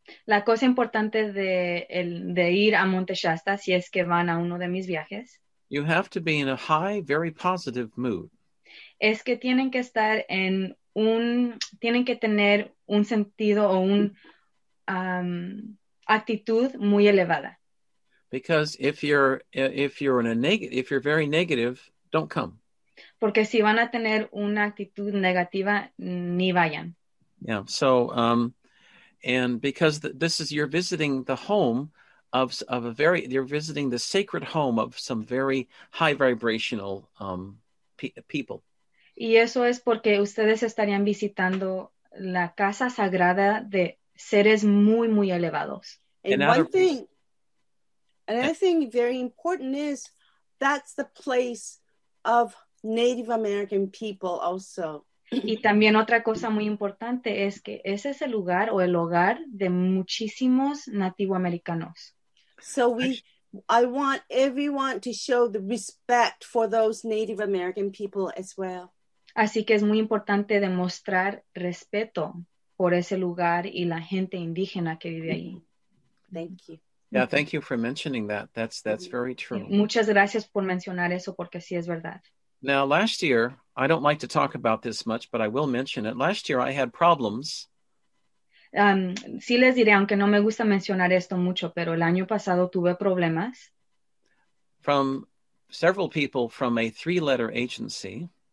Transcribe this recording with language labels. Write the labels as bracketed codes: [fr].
[es] La cosa importante de ir a Monte Shasta, si es que van a uno de mis viajes. [en] You have to be in a high, very positive mood. [es] Es que tienen que estar en un, tienen que tener un sentido o un actitud muy elevada. [en] Because if you're very negative, don't come. [es] Porque si van a tener una actitud negativa, ni vayan. [en] Yeah, so, and because this is, you're visiting the home of a very, you're visiting the sacred home of some very high vibrational people. [es] Y eso es porque ustedes estarían visitando la casa sagrada de seres muy, muy elevados. [en] Another thing very important is that's the place of Native American people also. [es] Y también otra cosa muy importante es que ese es el lugar o el hogar de muchísimos nativoamericanos. [en] So I want everyone to show the respect for those Native American people as well. [es] Así que es muy importante demostrar respeto por ese lugar y la gente indígena que vive ahí. [en] Thank you. Yeah, thank you for mentioning that. That's very true. [es] Muchas gracias por mencionar eso porque sí es verdad. [en] Now, last year, I don't like to talk about this much, but I will mention it. Last year, I had problems. [es] Sí les diré, aunque no me gusta mencionar esto mucho, pero el año pasado tuve problemas. [en] From several people from a three-letter agency.